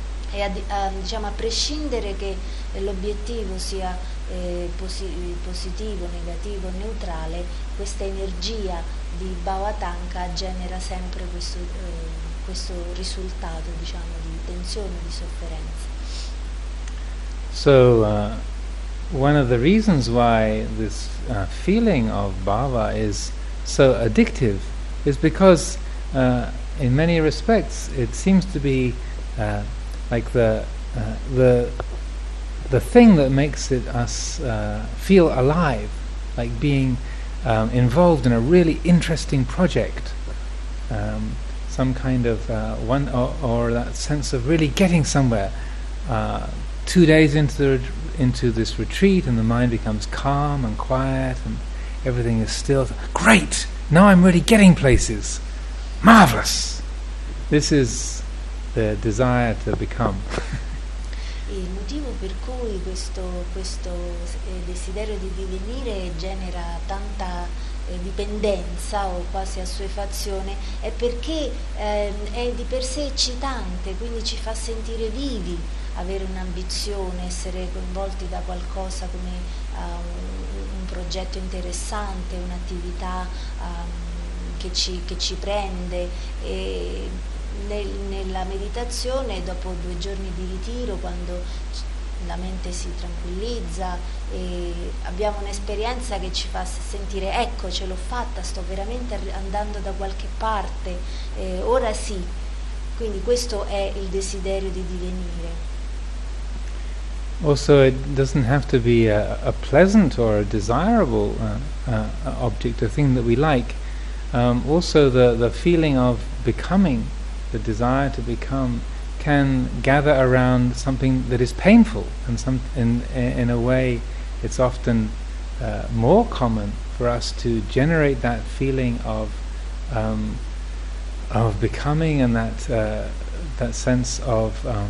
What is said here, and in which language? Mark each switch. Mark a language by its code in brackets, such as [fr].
[it] e diciamo, a prescindere che l'obiettivo sia positivo, negativo, neutrale, questa energia di bhava tanha genera sempre questo risultato, diciamo, di tensione, di sofferenza. [en] So one of the reasons why this feeling of bhava is so addictive is because in many respects it seems to be like the thing that makes it us feel alive, like being involved in a really interesting project, some kind of one or that sense of really getting somewhere. 2 days into this retreat, and the mind becomes calm and quiet, and everything is still. Great! Now I'm really getting places. Marvelous! This is the desire to become. [it] Il motivo per cui questo desiderio di divenire genera tanta dipendenza o quasi assuefazione è perché è di per sé eccitante, quindi ci fa sentire vivi avere un'ambizione, essere coinvolti da qualcosa come un progetto interessante, un'attività che ci prende. E nella meditazione, dopo 2 giorni di ritiro, quando la mente si tranquillizza e abbiamo un'esperienza che ci fa sentire ecco, ce l'ho fatta, sto veramente andando da qualche parte, ora sì. Quindi questo è il desiderio di divenire. [en] Also, it doesn't have to be a pleasant or a desirable object, a thing that we like. Also, the feeling of becoming, the desire to become, can gather around something that is painful, and in a way, it's often more common for us to generate that feeling of becoming, and that that sense of